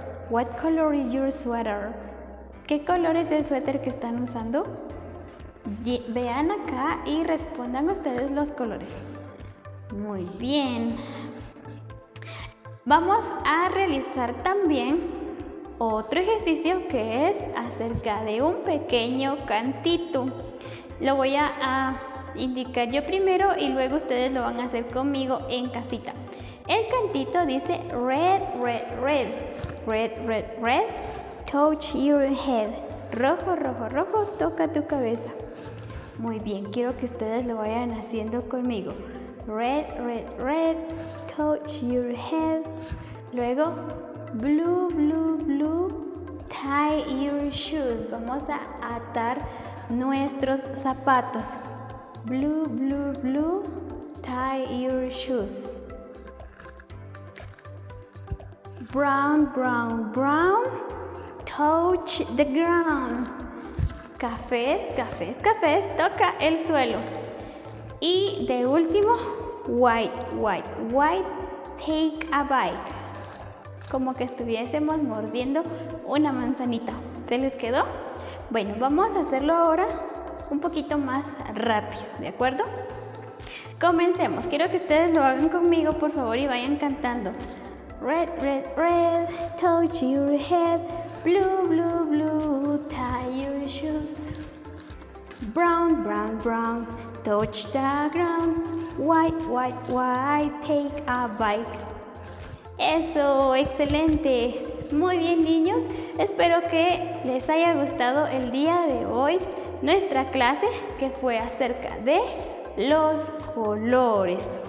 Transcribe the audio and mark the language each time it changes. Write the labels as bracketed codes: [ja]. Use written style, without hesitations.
[en] What color is your sweater? [es] ¿Qué color es el suéter que están usando? Vean acá y respondan ustedes los colores. Muy bien. Vamos a realizar también otro ejercicio que es acerca de un pequeño cantito. Lo voy a indicar yo primero y luego ustedes lo van a hacer conmigo en casita. El cantito dice red, red, red. [en] Red, red, red, touch your head. [es] Rojo, rojo, rojo, toca tu cabeza. Muy bien, quiero que ustedes lo vayan haciendo conmigo. [en] Red, red, red, touch your head. Luego, blue, blue, blue, tie your shoes. [es] Vamos a atar nuestros zapatos. [en] Blue, blue, blue, tie your shoes. Brown, brown, brown, touch the ground. [es] cafés, cafés, cafés, toca el suelo. Y de último, [en] white, white, white, take a bite. [es] Como que estuviésemos mordiendo una manzanita. ¿Se les quedó? Bueno, vamos a hacerlo ahora un poquito más rápido, ¿de acuerdo? Comencemos. Quiero que ustedes lo hagan conmigo, por favor, y vayan cantando. [en] Red, red, red, touch your head. Blue, blue, blue, tie your shoes. Brown, brown, brown, touch the ground. White, white, white, take a bike. [es] ¡Eso! ¡Excelente! Muy bien, niños. Espero que les haya gustado el día de hoy nuestra clase, que fue acerca de los colores.